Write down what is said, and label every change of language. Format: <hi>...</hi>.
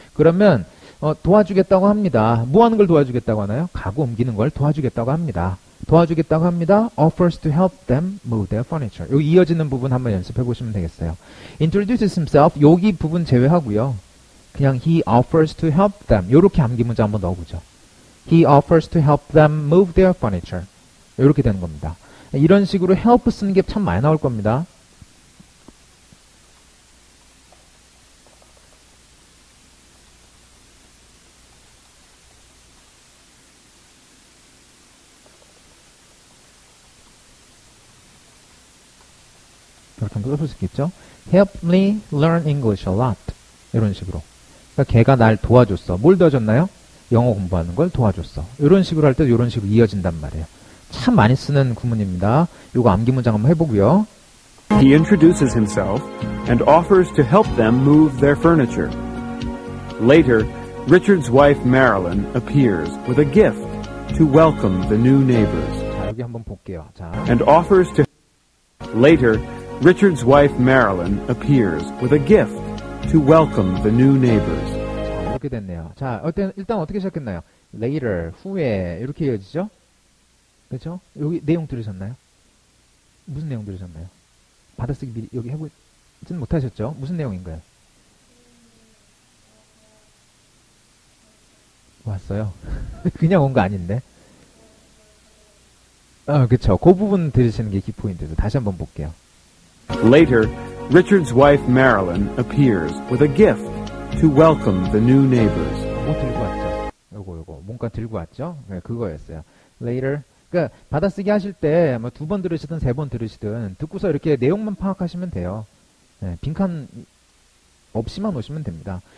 <ko>그러면 도와주겠다고 합니다. 뭐 하는 걸 도와주겠다고 하나요? 가구 옮기는 걸 도와주겠다고 합니다. 도와주겠다고 합니다.</ko> <en>offers to help them move their furniture.</en> <ko>여기 이어지는 부분 한번 연습해 보시면 되겠어요.</ko> <en>introduces himself.</en> <ko>여기 부분 제외하고요. 그냥</ko> <en>he offers to help them.</en> <ko>이렇게 암기 문장 한번 넣어보죠.</ko> <en>he offers to help them move their furniture.</en> <ko>이렇게 되는 겁니다. 이런 식으로 help 쓰는 게 참 많이 나올 겁니다. 이렇게 한번 써볼 수 있겠죠?</ko> <en>Help me learn English a lot. 이런 식으로.</en> <ko>그러니까 걔가 날 도와줬어. 뭘 도와줬나요? 영어 공부하는 걸 도와줬어. 이런 식으로 할 때 이런 식으로 이어진단 말이에요. 참 많이 쓰는 구문입니다. 이거 암기 문장 한번 해보고요.</ko> <en>He introduces himself and offers to help them move their furniture. Later, Richard's wife Marilyn appears with a gift to welcome the new neighbors.</en> <ko>자, 여기 한번 볼게요. 자.</ko> <en>And offers to Later, Richard's wife Marilyn appears with a gift to welcome the new neighbors.</en> <ko>자, 이렇게 됐네요. 자, 일단 어떻게 시작했나요? Later, 후에 이렇게 이어지죠? 그렇죠? 여기 내용 들으셨나요? 무슨 내용 들으셨나요? 받아쓰기 미리 여기 해보진 못하셨죠? 무슨 내용인가요? 왔어요? 그냥 온 거 아닌데? 그렇죠. 그 부분 들으시는 게 키포인트죠. 다시 한번 볼게요.</ko> <en>Later, Richard's wife Marilyn appears with a gift to welcome the new neighbors.</en> <ko>뭐 들고 왔죠? 요거 뭔가 들고 왔죠? 네, 그거였어요. Later, 그러니까 받아쓰기 하실 때 뭐 두 번 들으시든 세 번 들으시든 듣고서 이렇게 내용만 파악하시면 돼요. 네, 빈칸 없이만 오시면 됩니다.</ko>